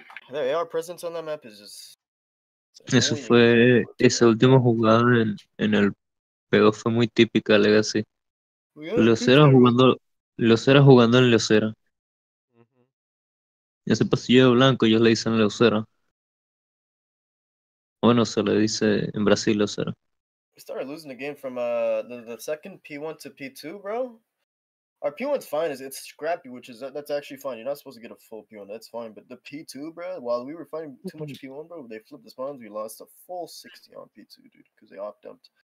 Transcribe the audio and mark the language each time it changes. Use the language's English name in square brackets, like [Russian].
[English] The AR presence on that map is just... [Spanish] Eso fue... Esa última jugada en el PO fue muy típica, Legacy. Leocera jugando en Leocera. Uh-huh. Ese pasillo de blanco ellos le dicen Leocera. Bueno, se le dice en Brasil Leocera. [English] We started losing the game from the second P1 to P2, bro. Our P1's fine. It's scrappy, which is that's actually fine. You're not supposed to get a full P1. That's fine. But the P2, bro, while we were fighting too much P1, bro, they flipped the spawns. We lost a full 60 on P2, dude, because they op-dumped.